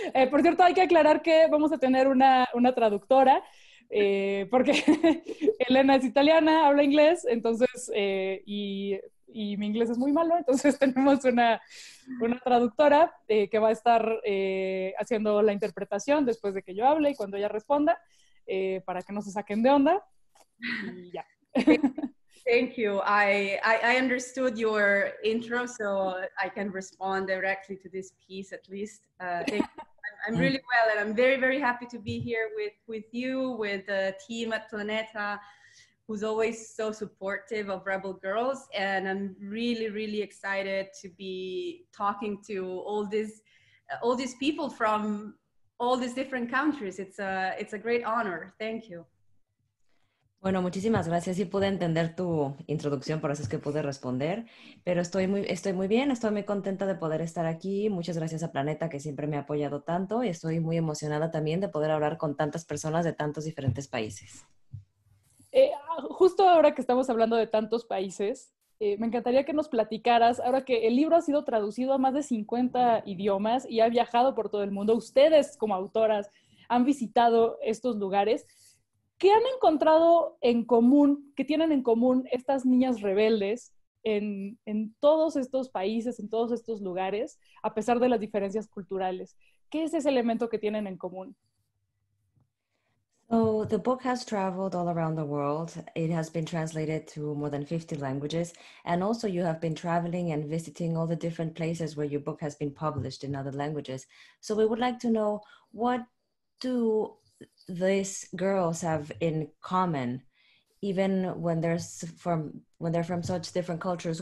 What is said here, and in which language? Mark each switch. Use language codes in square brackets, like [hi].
[es] Por cierto, hay que aclarar que vamos a tener una traductora, porque Elena es italiana, habla inglés, entonces, y mi inglés es muy malo, entonces tenemos una traductora que va a estar haciendo la interpretación después de que yo hable y cuando ella responda, para que no se saquen de onda. Y ya. [en] Thank you. I understood your intro, so I can respond directly to this piece at least. Thank you. I'm really well, and I'm very, very happy to be here with you, with the team at Planeta, who's always so supportive of Rebel Girls. And I'm really, really excited to be talking to all these people from all these different countries. It's a great honor. Thank you. [es] Bueno, muchísimas gracias. Sí pude entender tu introducción, por eso es que pude responder. Pero estoy muy bien, estoy muy contenta de poder estar aquí. Muchas gracias a Planeta que siempre me ha apoyado tanto y estoy muy emocionada también de poder hablar con tantas personas de tantos diferentes países. Justo ahora que estamos hablando de tantos países, me encantaría que nos platicaras, ahora que el libro ha sido traducido a más de 50 idiomas y ha viajado por todo el mundo, ustedes como autoras han visitado estos lugares, ¿qué han encontrado en común, qué tienen en común estas niñas rebeldes en todos estos países, en todos estos lugares, a pesar de las diferencias culturales? ¿Qué es ese elemento que tienen en común? [en] So the book has traveled all around the world. It has been translated to more than 50 languages. And also you have been traveling and visiting all the different places where your book has been published in other languages. So we would like to know, what do these girls have in common, even when they're from such different cultures?